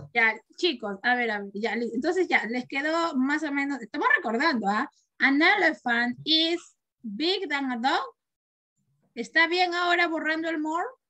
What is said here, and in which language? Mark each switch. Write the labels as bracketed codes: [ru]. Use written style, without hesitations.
[es] Ya, chicos, a ver, ya, entonces ya, les quedó más o menos, estamos recordando, ¿ah? [en] An elephant is big than a dog. [es] ¿Está bien ahora borrando el more?